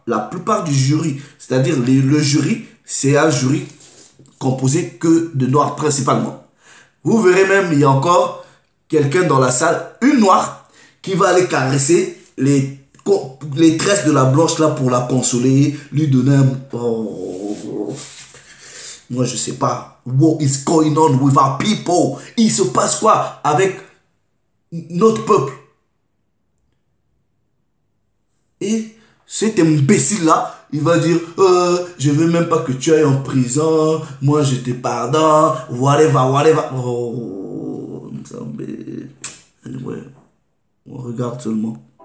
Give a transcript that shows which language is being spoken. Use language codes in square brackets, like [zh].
[fr] La plupart du jury, c'est-à-dire le jury, c'est un jury composé que de noirs principalement. Vous verrez même, il y a encore quelqu'un dans la salle, une noire, qui va aller caresser les tresses de la blanche là pour la consoler, lui donner un... Oh. Moi, je sais pas. [en] What is going on with our people? [fr] Il se passe quoi avec notre peuple? Et cet imbécile-là, il va dire, je veux même pas que tu ailles en prison. Moi, je te pardonne. [en] Whatever, whatever. [fr] Oh, mais... Ouais. On regarde seulement.